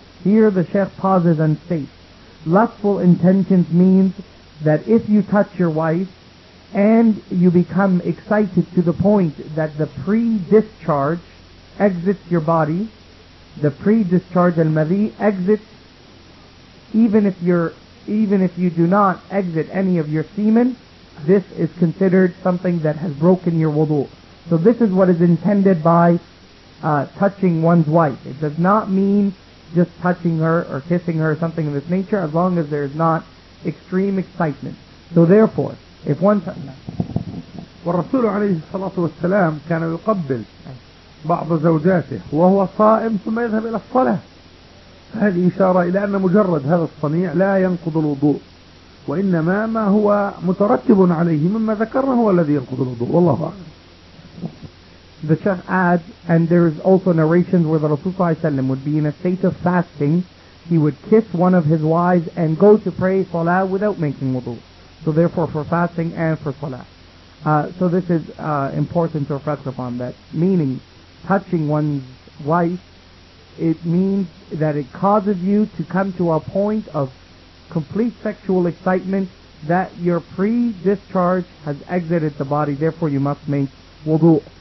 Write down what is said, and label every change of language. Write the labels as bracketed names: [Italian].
[English] Here the Sheikh pauses and states, lustful intentions means that if you touch your wife and you become excited to the point that the pre-discharge exits your body, the pre-discharge al-madhi exits, even if you do not exit any of your semen, this is considered something that has broken your wudu. So this is what is intended by touching one's wife. It does not mean just touching her or kissing her or something of this nature, as long as there is not extreme excitement. So therefore, if one [Arabic] والرسول عليه الصلاة والسلام كان يقبل بعض زوجاته وهو صائم ثم يذهب إلى الصلاة، هذه إشارة إلى أن مجرد هذا الصنيع لا ينقض الوضوء، وإنما ما هو مترتب عليه مما ذكرنا هو الذي ينقض الوضوء. والله أعلم. [English] The Sheikh adds, and there is also narrations where the Rasulullah ﷺ would be in a state of fasting, he would kiss one of his wives and go to pray salah without making wudu. So therefore, for fasting and for salah. So this is important to reflect upon, that meaning touching one's wife, it means that it causes you to come to a point of complete sexual excitement, that your pre-discharge has exited the body, therefore you must make wudu.